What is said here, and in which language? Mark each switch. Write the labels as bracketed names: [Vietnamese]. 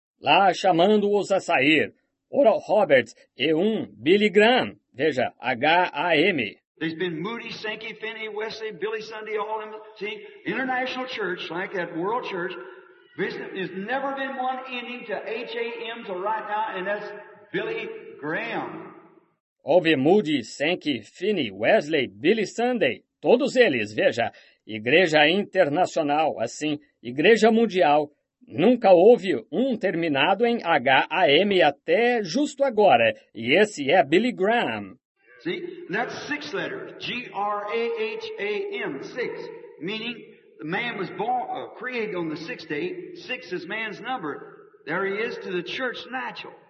[Portuguese] Lá, chamando-os a sair. Oral Roberts e um Billy Graham. Veja, H-A-M. [English] There's been Moody, Sankey, Finney, Wesley, Billy Sunday, all them. See? International church, like that world church. There's never been one ending to H-A-M till right now, and that's Billy Graham. [Portuguese] Houve Moody, Sankey, Finney, Wesley, Billy Sunday, todos eles, veja, igreja internacional, assim, igreja mundial, nunca houve um terminado em H-A-M até justo agora, e esse é Billy Graham. [English] See, that's six letters, G-R-A-H-A-M, six, meaning the man was born, created on the sixth day, six is man's number, there he is to the church natural.